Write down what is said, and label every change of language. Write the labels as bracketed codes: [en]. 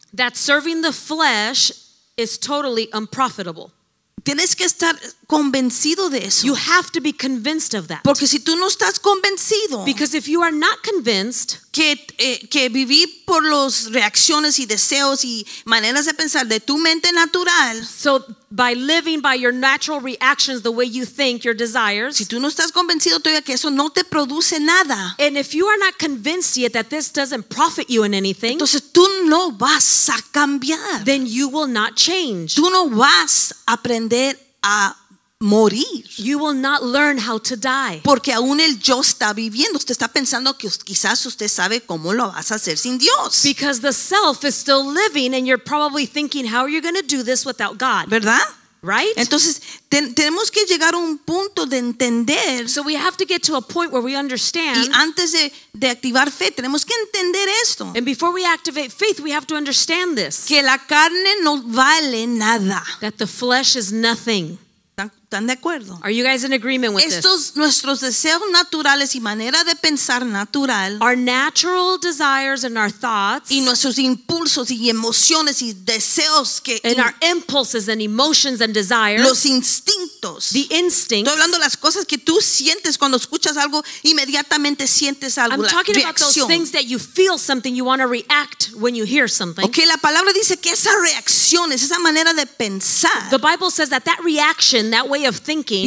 [en] That serving the flesh is totally unprofitable. [es] Tienes que estar convencido de eso. [en] You have to be convinced of that. [es] Porque si tú no estás convencido, [en] because if you are not convinced, [es] que vivir por las reacciones y deseos y maneras de pensar de tu mente natural, [en] so by living by your natural reactions, the way you think, your desires, [es] si tú no estás convencido todavía que eso no te produce nada, [en] and if you are not convinced yet that this doesn't profit you in anything, [es] entonces tú no vas a cambiar, [en] then you will not change. [es] Tú no vas a aprender a morir. [en] You will not learn how to die. [es] Porque aún el yo está viviendo. Usted está pensando que quizás usted sabe cómo lo vas a hacer sin Dios. [en] Because the self is still living and you're probably thinking, how are you going to do this without God? [es] ¿Verdad? [en] Right? [es] Entonces, tenemos que llegar a un punto de entender. [en] So we have to get to a point where we understand. [es] Y antes de activar fe, tenemos que entender esto. [en] And before we activate faith, we have to understand this. [es] Que la carne no vale nada. [en] That the flesh is nothing. [es] ¿Están de acuerdo? [en] Are you guys in agreement with [es] estos, Estos nuestros deseos naturales y manera de pensar natural, [en] our natural desires and our thoughts, [es] y nuestros impulsos y emociones y deseos que, [en] and our impulses and emotions and desires, [es] los instintos, [en] the instincts. [es] Estoy hablando de las cosas que tú sientes cuando escuchas algo, inmediatamente sientes algo, la [en] talking [es] reacción. [en] About those things that you feel something, you want to react when you hear something. [es] Okay, la palabra dice que esa reacción es esa manera de pensar. [en] The Bible says that reaction, that way of thinking,